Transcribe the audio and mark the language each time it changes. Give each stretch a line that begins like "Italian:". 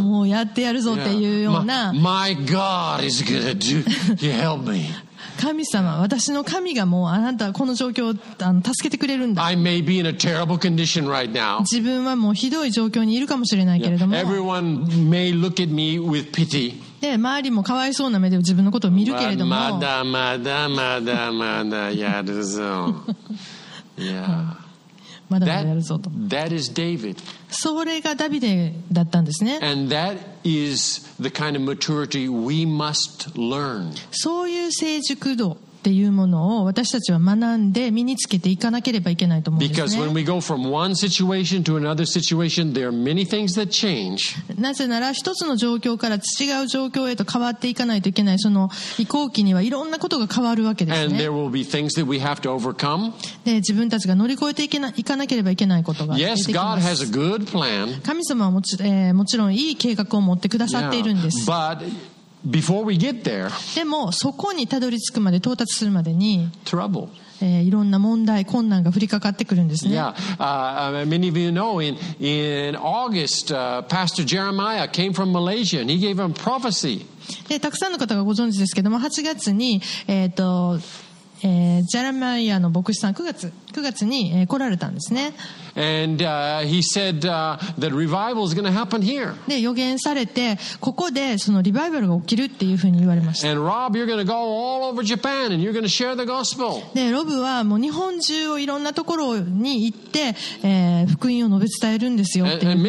Japanese: もうやってやるぞっていうような。
English: Yeah. My God is gonna do. You help me.
Japanese: 神様、私の神がもうあなたこの状況を助けてくれるんだ。
English: I may be in a terrible condition right now.
Japanese: 自分はもうひどい状況にいるかもしれないけれども。
English: Yeah. Everyone may look at me with pity.
Japanese: で、周りもかわいそうな目で自分のことを見るけれども。まだまだまだまだやるぞ。
English: Yeah.
Japanese: まだまだやるぞと。
English: That is David.
Japanese: それがダビデだったんですね。
English: And that is the kind of maturity we must learn.
Japanese: そういう成熟度っていうものを私たちは学んで身につけていかなければいけないと思うんですね。
English: Because when we go from one situation to another situation, there are many things that change.
Japanese: なぜなら一つの状況から違う状況へと変わっていかないといけない。その移行期にはいろんなことが変わるわけですね。
English: And there will be things that we have to overcome.
Japanese: で自分たちが乗り越えていけな、いかなければいけないことが出てきます。
English: Yes, God has a good plan.
Japanese: 神様はもちろんいい計画を持ってくださっているんです。
English: Yeah, but before we get there,
Japanese: でもそこにたどり着くまで到達するまでに
English: trouble.
Japanese: いろんな問題困難が降りかかってくるんですね。
English: Yeah, many of you know in August, Pastor Jeremiah came from Malaysia and he gave a prophecy.
Japanese: でたくさんの方がご存知ですけども、8月にジェレマイアの牧師さん9月に来られたんですね。
English: And, he said, that revival is gonna happen here.
Japanese: で予言されてここでそのリバイバルが起きるっていうふうに言われました。
English: And Rob, you're gonna go all over Japan and you're gonna share the gospel.
Japanese: でロブはもう日本中をいろんなところに行って、福音を述べ伝えるんですよっていうふうに。